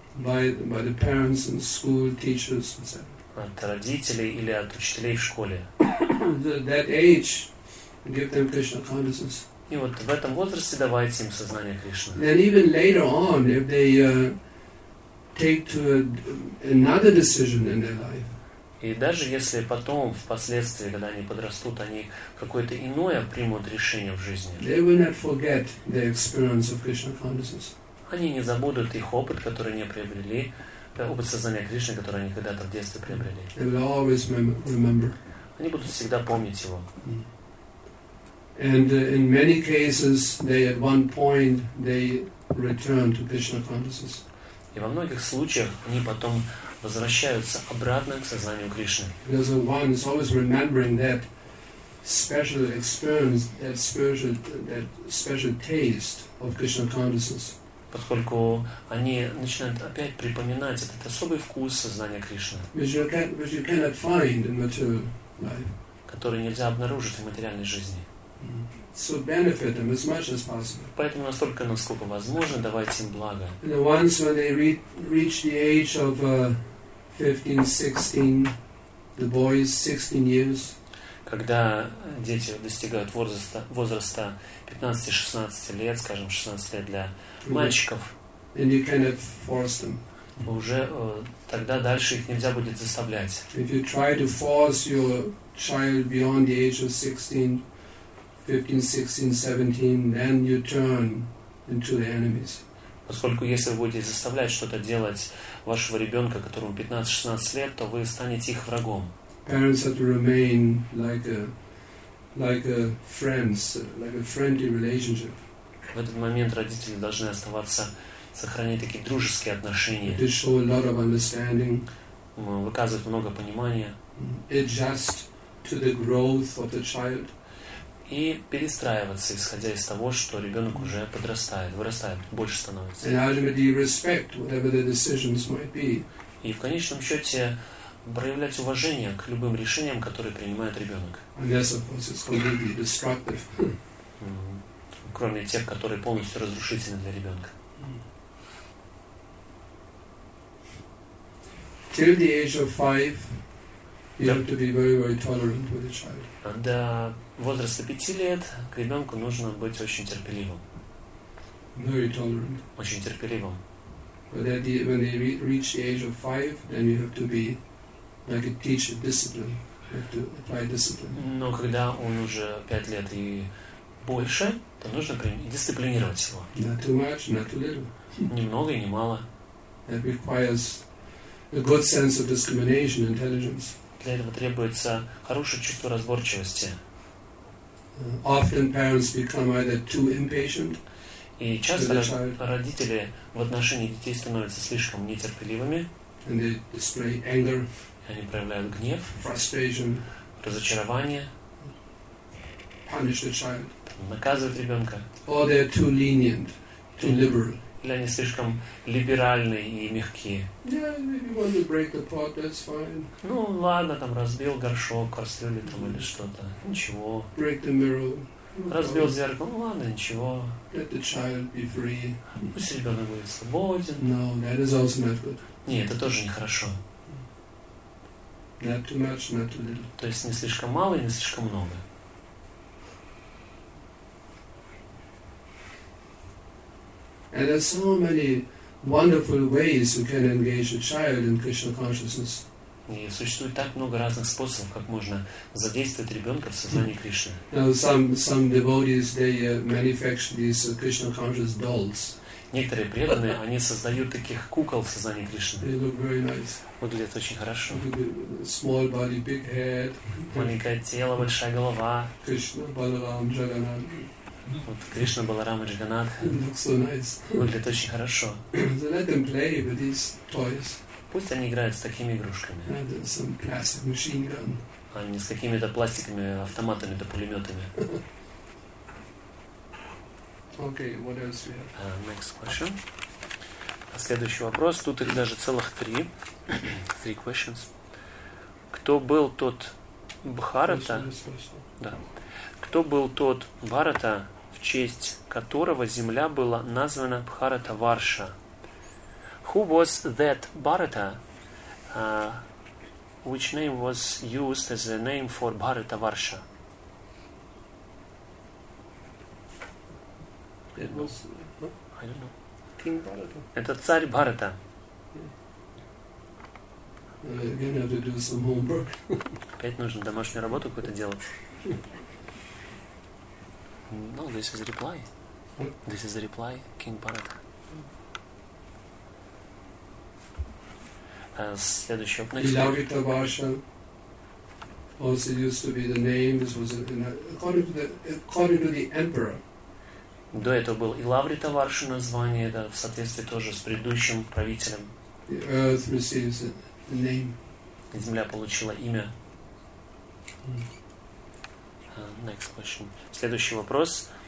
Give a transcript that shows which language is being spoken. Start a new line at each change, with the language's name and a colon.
English: By the parents and school teachers and so on.
Russian: От родителей или от учителей в школе.
English: That age, give them Krishna consciousness.
Russian: И вот в этом возрасте давайте им сознание Кришны.
English: And even later on, if they take to another decision in their life.
Russian: И даже если потом, впоследствии, когда они подрастут, они какое-то иное примут решение в жизни.
English: They will not forget the experience of Krishna consciousness.
Russian: Они не забудут их опыт, который они приобрели, опыт сознания Кришны, который они когда-то в детстве приобрели.
English: They will always remember.
Russian: Они будут всегда помнить его.
English: And in many cases, they at one point they return to Krishna consciousness.
Russian: И во многих случаях они потом возвращаются обратно к сознанию Кришны.
English: Because one is always remembering that special experience, that special taste of Krishna consciousness.
Russian: Поскольку они начинают опять припоминать этот особый вкус сознания Кришны.
English: Which you cannot find in material life.
Russian: Который нельзя обнаружить в материальной жизни.
English: So benefit them as much as possible.
Russian: Поэтому настолько, насколько возможно, давайте им благо.
English: And once when they reach the age of 15-16, the boys 16 years.
Russian: Когда дети достигают возраста 15-16 лет, скажем, 16 лет для мальчиков.
English: And you cannot force them.
Russian: Уже тогда дальше их нельзя будет заставлять.
English: If you try to force your child beyond the age of 16. 15, 16, 17, then you turn into the enemies.
Russian: Поскольку если вы будете заставлять что-то делать вашего ребенка, которому 15-16 лет, то вы станете их врагом.
English: Parents have to remain like a friendly relationship.
Russian: В этот момент родители должны оставаться, сохранять такие дружеские отношения.
English: They show a lot of understanding.
Russian: Выказывают много понимания.
English: Adjust to the growth of the child.
Russian: И перестраиваться, исходя из того, что ребенок уже подрастает, вырастает, больше становится.
English: And ultimately respect whatever the decisions might be.
Russian: И в конечном счете проявлять уважение к любым решениям, которые принимает ребенок.
English: Unless, of course, it's completely destructive.
Russian: Кроме тех, которые полностью разрушительны для ребенка.
English: Till the age of 5, you have to be very, very tolerant with the child.
Russian: До возраста 5 лет к ребенку нужно быть очень терпеливым.
English: Very tolerant.
Russian: Очень терпеливым.
English: But at the, when they reach the age of 5, then you have to be like a teacher, discipline. You have to apply discipline.
Russian: Но когда он уже 5 лет и больше, то нужно дисциплинировать его.
English: Not too much, not too little.
Russian: Ни много и ни мало.
English: That requires a good sense of discrimination, intelligence.
Russian: Для этого требуется хорошее чувство разборчивости.
English: often parents become either too impatient.
Russian: И часто родители в отношении детей становятся слишком нетерпеливыми.
English: And they display anger.
Russian: Они проявляют гнев.
English: Frustration.
Russian: Разочарование.
English: Punish the child.
Russian: Наказывают ребенка.
English: Or they're too lenient, too liberal.
Russian: Или они слишком либеральные и мягкие.
English: Yeah, maybe when you break the pot, that's fine.
Russian: Ну ладно, там разбил горшок, кастрюлю там или что-то. Ничего.
English: Break the mirror.
Russian: Разбил зеркало. Ну ладно, ничего.
English: Let the child be free.
Russian: Пусть ребенок будет свободен.
English: No, that is also not good.
Russian: Не, это тоже нехорошо.
English: Not too much, not too little.
Russian: То есть не слишком мало и не слишком много.
English: And there are so many wonderful ways you can engage a child in Krishna consciousness.
Russian: И существует так много разных способов, как можно задействовать ребенка в сознании Кришны.
English: Some devotees they manufacture these Krishna conscious dolls.
Russian: Некоторые преданные они создают таких кукол в сознании Кришны.
English: They look very nice.
Russian: Выглядят очень хорошо.
English: Small body, big head.
Russian: Маленькое тело, большая голова.
English: Krishna, Balaram, Jagannath.
Russian: Вот Кришна, Баларама, Джаганнатха.
English: So nice.
Russian: Выглядит очень хорошо.
English: So let them play with these toys.
Russian: Пусть они играют с такими игрушками.
English: Some plastic machine gun.
Russian: А не с какими-то пластиками, автоматами да пулеметами.
English: Okay, what else we have? Next question.
Russian: А следующий вопрос. Тут их даже целых три.
English: Three questions.
Russian: Кто был тот Бхарата? Да. Кто был тот Бхарата, в честь которого земля была названа Бхарата Варша?
English: Who was that Bharata, which name was used as a name for Bharata Varsha? It was, I don't know. King Bharata.
Russian: Это царь Бхарата.
English: Again, I have to do some homework.
Russian: Опять нужно домашнюю работу какую-то делать.
English: No, this is a reply. This is a reply, King Bharata.
Russian: Следующий вопрос.
English: Lilavita Varsha also used to be the name. This was according to the emperor.
Russian: До этого был Lilavita Varsha название, да, в соответствии тоже с предыдущим правителем.
English: The earth receives a name.
Russian: Земля получила имя.
English: Next question.
Russian: Следующий вопрос.